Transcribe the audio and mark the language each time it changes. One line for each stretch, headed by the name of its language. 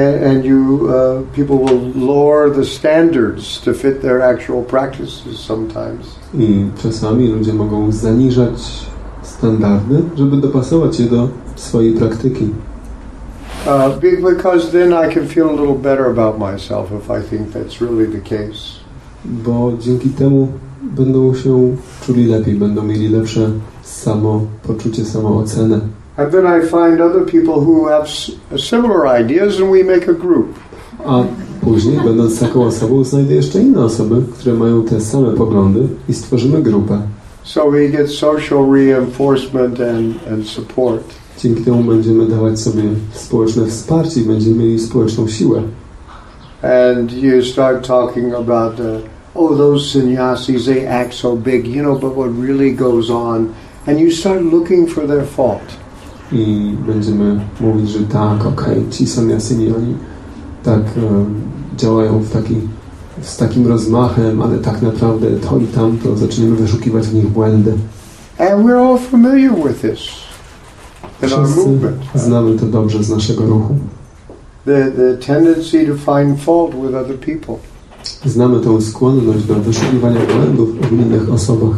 English: And you people will lower the standards to fit their actual practices sometimes.
Polish: I czasami ludzie mogą zaniżać standardy, żeby dopasować je do swojej praktyki.
English: Because then I can feel a little better about myself if I think that's really the case.
Polish: Bo dzięki temu będą się czuli lepiej, będą mieli lepsze samopoczucie, samoocenę.
English: And then I find other people who have similar ideas and we make a group.
Polish: A później, będąc taką osobą, znajdę jeszcze inne osoby, które mają te same poglądy, i stworzymy grupę.
English: So we get social reinforcement and support.
Polish: Dzięki temu będziemy dawać sobie społeczne wsparcie i będziemy mieli społeczną siłę.
English: And you start talking about those sannyasis, they act so big, you know, but what really goes on, and you start looking for their fault.
Polish: I będziemy mówić, że tak, okej, ci sannyasini, oni tak działają z takim rozmachem, ale tak naprawdę to i tamto, zaczniemy wyszukiwać w nich błędy.
English: And we're all familiar with this.
Polish: Wszyscy znamy to dobrze z naszego ruchu.
English: The tendency to find fault with other people.
Polish: Znamy tą skłonność do wyszukiwania błędów w innych osobach.